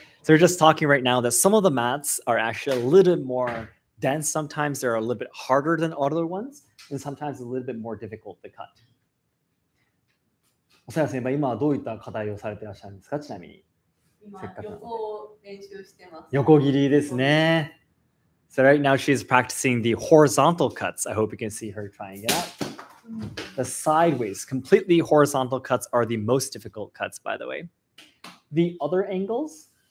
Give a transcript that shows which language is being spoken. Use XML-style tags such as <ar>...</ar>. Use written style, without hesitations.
<en>So we're just talking right now that some of the mats are actually a little bit more dense. Sometimes they're a little bit harder than other ones, and sometimes a little bit more difficult to cut.</en> <ja>おさや先輩、今はどういった課題をされていらっしゃるんですか、ちなみに。今、横を練習してます。横切りですね。</ja> <en>So right now she's practicing the horizontal cuts. I hope you can see her trying it out. The sideways, completely horizontal cuts are the most difficult cuts, by the way. The other angles?</en>